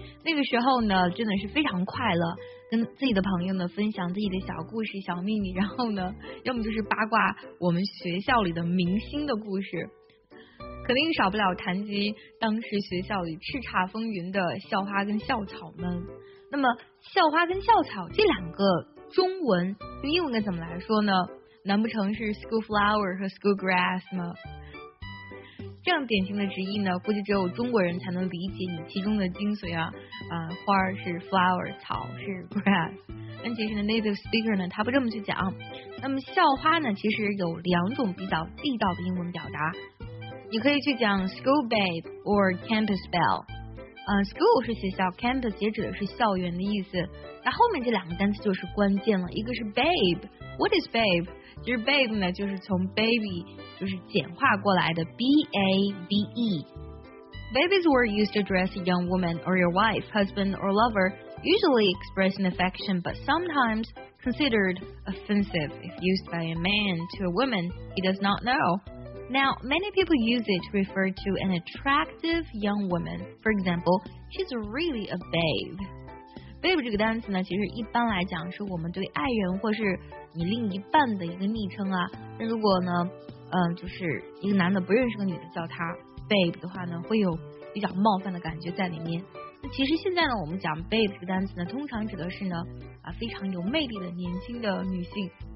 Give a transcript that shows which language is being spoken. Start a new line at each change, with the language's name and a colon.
Chinese: 那个时候呢，真的是非常快乐，跟自己的朋友呢分享自己的小故事、小秘密，然后呢，要么就是八卦我们学校里的明星的故事，肯定少不了谈及当时学校里叱咤风云的校花跟校草们。那么，校花跟校草这两个中文用英文怎么来说呢？难不成是 school flower 和 school grass 吗？这样典型的直译呢，估计只有中国人才能理解你其中的精髓啊！花是 flower， 草是 grass。但其实呢 native speaker 呢，他不这么去讲。那么校花呢，其实有两种比较地道的英文表达，你可以去讲 school babe or campus belle。 School 是学校 ，campus 也指的是校园的意思。那后面这两个单词就是关键了，一个是 babe，
English: what is babe？
Chinese: 其实 babe 呢就是从 baby 就是简化过来的 ，b a b e。
English: Babies were used to address a young woman or your wife, husband or lover, usually expressing affection, but sometimes considered offensive if used by a man to a woman he does not know. Now, many people use it to refer to an attractive young woman. For example, she's really a babe.
Chinese: Babe 这个单词呢，其实一般来讲是我们对爱人或是你另一半的一个昵称啊。那如果呢，就是一个男的不认识个女的叫她 babe 的话呢，会有比较冒犯的感觉在里面。那其实现在呢，我们讲 babe 这个单词呢，通常指的是呢，非常有魅力的年轻的女性。